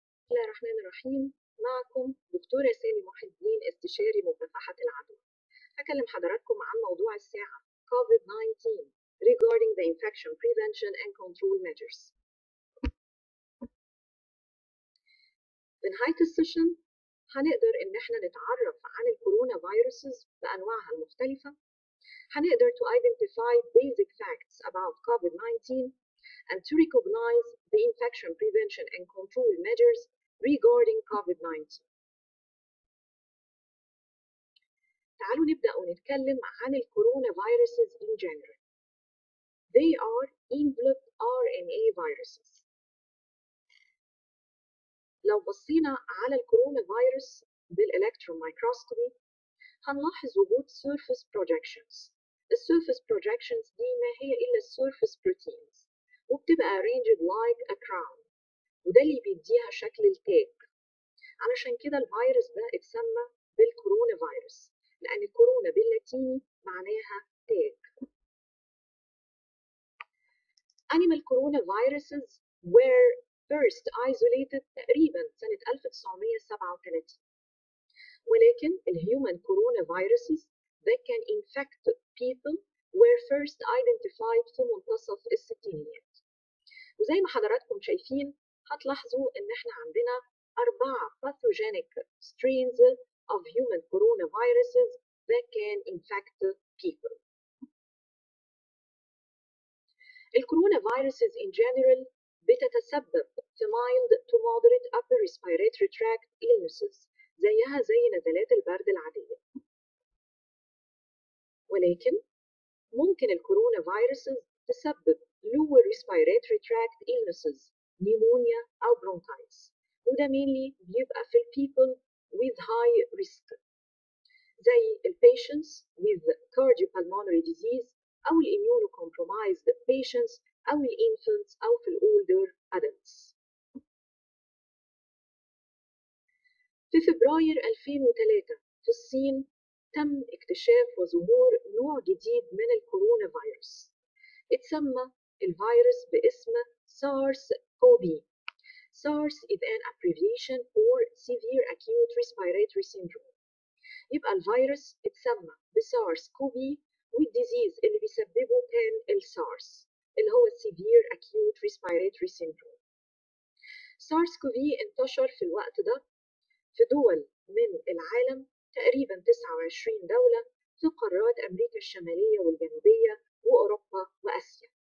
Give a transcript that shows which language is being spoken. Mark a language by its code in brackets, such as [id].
[ar] الله الرحمن الرحيم، معكم دكتورة سامي محي الدين، استشاري مكافحة العدوى. هكلم حضراتكم عن موضوع الساعة [en] COVID-19 regarding the infection prevention and control measures. [ar] في نهاية السيشن هنقدر ان احنا نتعرف عن الكورونا فيروسز بانواعها المختلفة. هنقدر [en] to identify basic facts about COVID-19 and to recognize the infection prevention and control measures regarding COVID-19. [ar] تعالوا نبدأ ونتكلم عن الكورونا فيروسز [en] in general. They are enveloped RNA viruses. [ar] لو بصينا على الكورونا فيروس بالإلكترون مايكروسكوبي هنلاحظ وجود [en] surface projections. Surface projections [ar] دي ما هي إلا [en] surface proteins [ar] وبتبقى [en] arranged like a crown، [ar] وده اللي بيديها شكل التاج. علشان كده الفيروس ده اتسمى بالكورونا فيروس، لأن كورونا باللاتيني معناها تاج. [en] Animal coronaviruses were first isolated [ar] تقريبا سنة 1937، ولكن الهيومن [en] coronaviruses that can infect people were first identified [ar] في منتصف الستينيات. وزي ما حضراتكم شايفين هتلاحظوا ان احنا عندنا 4 [en] pathogenic strains of human coronaviruses that can infect people. [ar] الكورونا فيروسز [en] in general [ar] بتتسبب في [en] mild to moderate upper respiratory tract illnesses [ar] زيها زي نزلات البرد العادية. ولكن ممكن الكورونا فيروسز تسبب [en] lower respiratory tract illnesses، [ar] نيمونيا أو برونكايتس، وده mainly بيبقى في [en] people with high risk [ar] زي [en] patients with cardiopulmonary disease [ar] أو [en] immunocompromised patients [ar] أو infants أو في [en] older adults. [ar] في فبراير 2003 في الصين تم اكتشاف وظهور نوع جديد من الكورونا فيروس اتسمى الفيروس باسم SARS-CoV. [en] SARS is an abbreviation for Severe Acute Respiratory Syndrome. [ar] يبقى الفيروس اتسمى بSARS-CoV والديزيز اللي بيسببه كان السارس اللي هو [en] Severe Acute Respiratory Syndrome. [ar] SARS-CoV انتشر في الوقت ده في دول من العالم، تقريبا 29 دولة في قارات أمريكا الشمالية والجنوبية وأوروبا وآسيا.